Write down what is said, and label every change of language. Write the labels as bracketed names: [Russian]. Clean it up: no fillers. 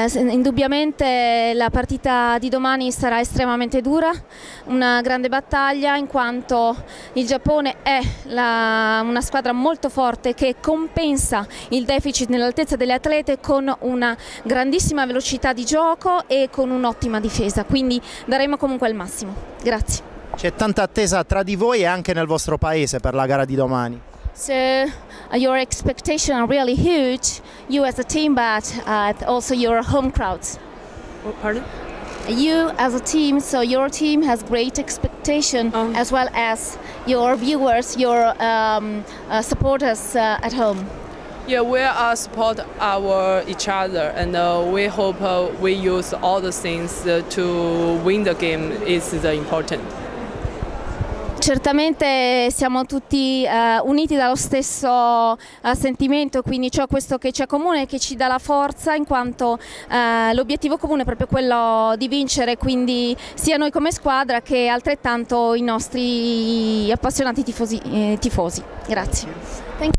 [Italian] Indubbiamente la partita di domani sarà estremamente dura, una grande battaglia, in quanto il Giappone è una squadra molto forte che compensa il deficit nell'altezza delle atlete con una grandissima velocità di gioco e con un'ottima difesa, quindi daremo comunque il massimo. Grazie. C'è tanta attesa tra di voi e anche nel vostro paese per la gara di domani. [English] So your expectations are really huge, you as a team, but also your home crowds. Oh, pardon? You as a team, so your team has great expectations as well as your viewers, your supporters at home. Yeah, we are support our each other, and we hope we use all the things to win the game is the important. [Italian] Certamente siamo tutti uniti dallo stesso sentimento, quindi c'è questo che ci è comune e che ci dà la forza, in quanto l'obiettivo comune è proprio quello di vincere, quindi sia noi come squadra che altrettanto i nostri appassionati tifosi. Grazie.